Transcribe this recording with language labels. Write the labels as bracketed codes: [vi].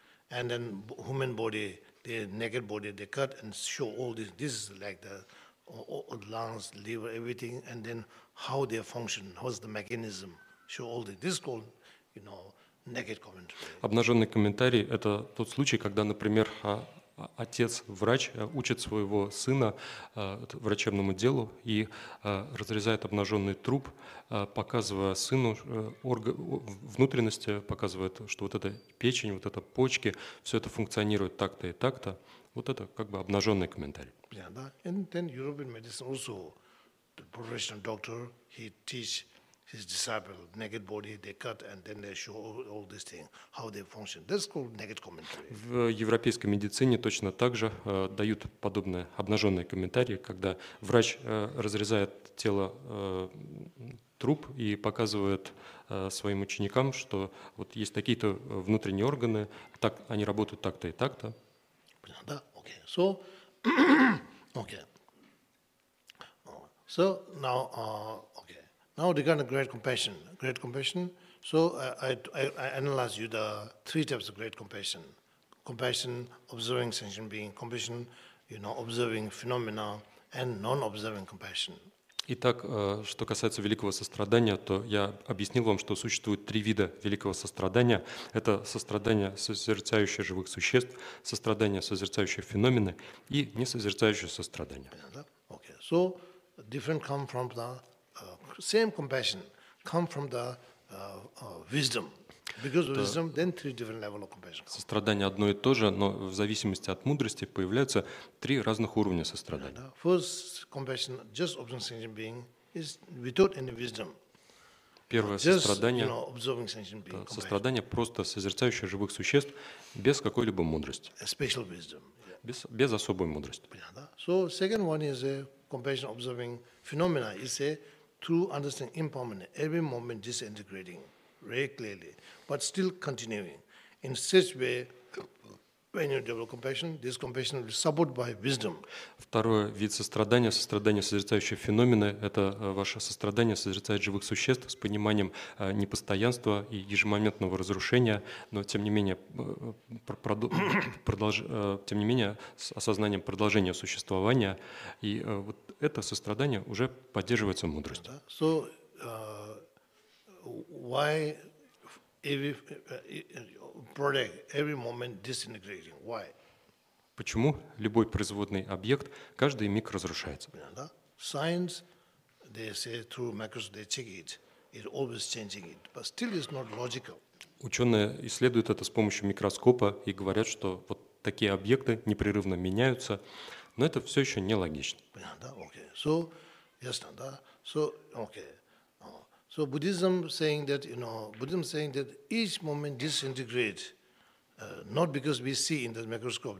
[en] And then human body, the naked body, they cut and show all this. This is like the lungs, liver, everything. And then how they function, how's the mechanism, show all this. This is called, naked commentary. [ru] Обнаженный комментарий – это тот случай, когда, например, отец-врач учит своего сына врачебному делу и разрезает обнаженный труп, показывая сыну внутренности, показывает, что вот эта печень, вот это почки, все это функционирует так-то и так-то. Вот это как бы обнаженный комментарий. [en] Yeah, and then European medicine also, the professional doctor, he teach his disciple naked body, they cut and then they show all these things, how they function. That's called naked commentary. [ru] В европейской медицине точно так же дают подобные обнаженные комментарии, когда врач разрезает тело труп и показывает своим ученикам, что вот есть такие-то внутренние органы, так они работают так-то и так-то. Да, окей. [en] So, okay. So now, okay. Now regarding great compassion. Great compassion. So I analyze you the three types of great compassion. Compassion observing sentient being. Compassion, observing phenomena and non-observing compassion. [ru] Итак, что касается великого сострадания, то я объяснил вам, что существует три вида великого сострадания. Это сострадание, созерцающее живых существ, сострадание, созерцающее феномены и несозерцающее сострадание. [en] Okay. So, different come from the same compassion, come from the wisdom. Because of wisdom, then three different levels of compassion. [ru] Сострадание одно и то же, но в зависимости от мудрости появляются три разных уровня сострадания. [en] First compassion, just observing sentient being, is without any wisdom. [ru] Первое сострадание, [en] observing sentient being, compassion. [ru] Сострадание просто созерцающее живых существ без какой-либо мудрости. [en] A special wisdom. [ru] Без особой мудрости. [en] So second one is a compassion observing phenomena. It's a true understanding impermanent. Every moment disintegrating. Very clearly, but still continuing. In such way, when you develop compassion, this compassion will be supported by wisdom. [ru] Второй вид сострадания, сострадание созерцающее феномены, это ваше сострадание созерцает живых существ с пониманием непостоянства и ежемоментного разрушения, но тем не менее с осознанием продолжения существования, и вот это сострадание уже поддерживается мудростью. [en] So, why every moment disintegrating? Why? [ru] Почему любой производный объект, каждый миг разрушается? Да. [en] Science, they say through microscope they check it, it always changing it, but still it's not logical. [ru] Ученые исследуют это с помощью микроскопа и говорят, что вот такие объекты непрерывно меняются, но это все еще нелогично. [en] Да. Okay. So, [ru] ясно, да. [en] So, okay. So Buddhism saying that, Buddhism saying that each moment disintegrates, not because we see in the microscope.